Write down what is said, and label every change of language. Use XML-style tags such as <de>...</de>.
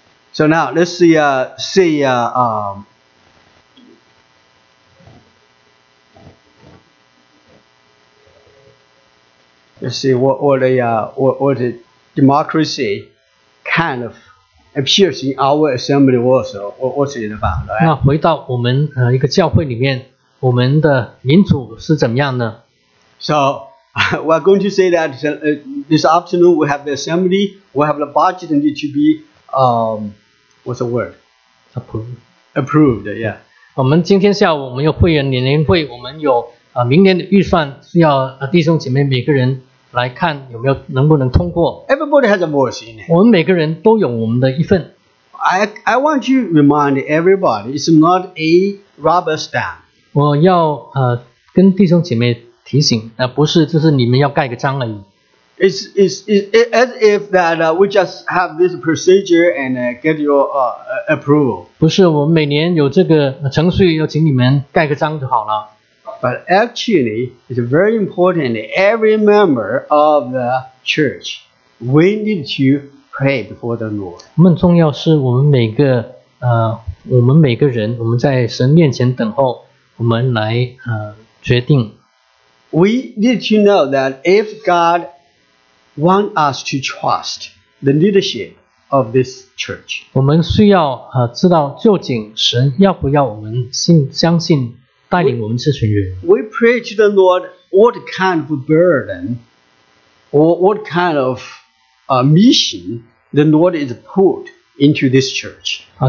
<en>so now let's see what democracy kind of appears in our assembly also. What's it about? Right?</en> <zh>那回到我们, 一个教会里面, 我们的民主是怎么样呢?</zh> <en>So, we're going to say that this afternoon we have the assembly, we have the budget and it should be, what's the word? Approved, yeah.</en> <zh>我们今天下午我们有会员年龄会, 我们有, 明年的预算需要, 弟兄姐妹每个人, 来看有没有能不能通过。</zh> <en>Everybody has a voice in it.</en> <zh>我们每个人都有我们的一份。</zh> <en>I want to remind everybody, it's not a rubber stamp.</en> <zh>我要, 跟弟兄姐妹提醒, 不是, 就是你们要盖个章而已。</zh> <en>It's as if that we just have this procedure and get your approval.</en> <zh>不是, 我们每年有这个程序, 要请你们盖个章就好了。</zh> <en>But actually, it's very important that every member of the church, we need to pray before the Lord.</en> <zh>更重要是我们每个, 我们每个人, 我们在神面前等候, 我们来, 决定。</zh> <en>We need to know that if God wants us to trust the leadership of this church,</en> <zh>我们需要, 知道究竟神要不要我们信,</zh> <en>We pray to the Lord what kind of burden or what kind of mission the Lord is put into this church.</en>